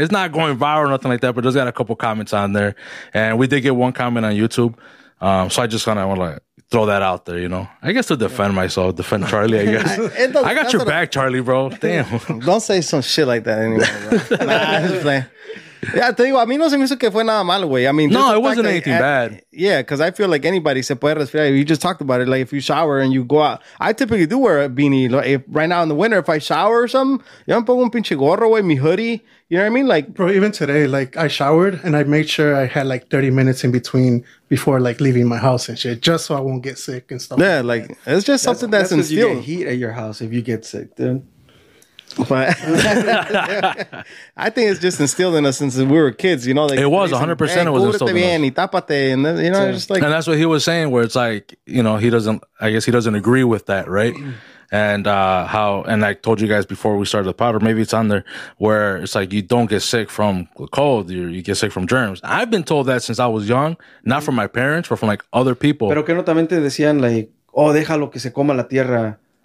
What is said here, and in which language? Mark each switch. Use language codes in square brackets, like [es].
[en] It's not going viral or nothing like that, but just got a couple comments on there. And we did get one comment on YouTube. So I just kind of want to like throw that out there, you know. I guess to defend myself, defend Charlie, I guess. I got your back, Charlie, bro. Damn. Don't say some shit like that anymore, bro. Nah, I'm just playing. [es] Yeah, te digo, a mí no se me hizo que fue nada malo, güey. [en] I mean, no, it wasn't anything bad. Yeah, because I feel like anybody [es] se puede resfriar. [en] You just talked about it. Like, if you shower and you go out, I typically do wear a beanie. Like, right now in the winter, if I shower or something, [es] yo me pongo un pinche gorro, güey, [en] mi hoodie. You know what I mean? Like, bro, even today, like, I showered and I made sure I had like 30 minutes in between before like leaving my house and shit, just so I won't get sick and stuff. Yeah, like, that. It's just something that's instilled. You get heat at your house if you get sick, dude. But I think it's just instilled in us since we were kids, you know. Like, it was 100%. It was instilled in us. And tápate, and then, you know, yeah. Just like, and that's what he was saying. Where it's like, you know, he doesn't agree with that, right? And how? And I told you guys before we started the pod, or maybe it's on there, where it's like you don't get sick from cold, you get sick from germs. I've been told that since I was young, not from my parents, but from like other people. [es] Pero que no también te decían like, oh, déjalo que se coma la tierra.